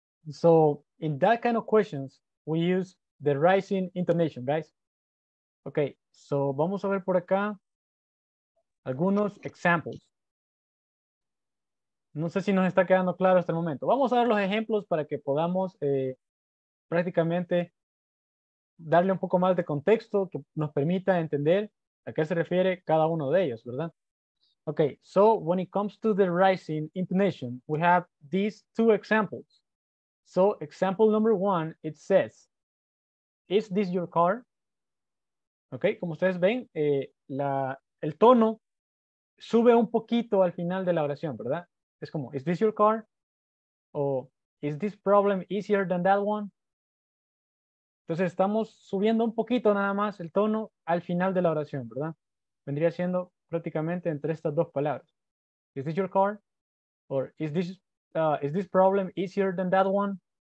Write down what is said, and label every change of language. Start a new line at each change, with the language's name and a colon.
English: So in that kind of questions, we use the rising intonation, guys.
Spanish: Okay, so vamos a ver por acá algunos examples. No sé si nos está quedando claro hasta el momento. Vamos a ver los ejemplos para que podamos prácticamente darle un poco más de contexto que nos permita entender a qué se refiere cada uno de ellos, ¿verdad?
English: Okay, so when it comes to the rising intonation, we have these two examples. So example number one, it says, is this your car?
Spanish: Okay, como ustedes ven, el tono sube un poquito al final de la oración, ¿verdad? Es como,
English: is this your car? O, is this problem easier than that one?
Spanish: Entonces estamos subiendo un poquito nada más el tono al final de la oración, ¿verdad? Vendría siendo prácticamente entre estas dos palabras.
English: Is this your car? Or is this problem easier than that one?